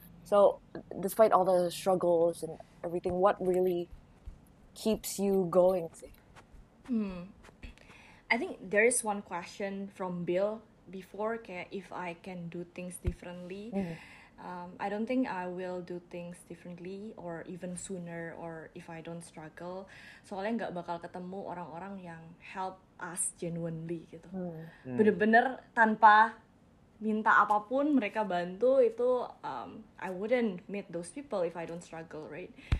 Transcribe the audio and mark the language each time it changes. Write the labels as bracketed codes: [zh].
[en] So, despite all the struggles and everything, what really keeps you going? I think there is one question from Bill before kayak if I can do things differently. I don't think I will do things differently or even sooner or if I don't struggle. [id] Soalnya nggak bakal ketemu orang-orang yang [en] help us genuinely [id] gitu. Bener-bener tanpa minta apapun mereka bantu itu [en] I wouldn't meet those people if I don't struggle, right?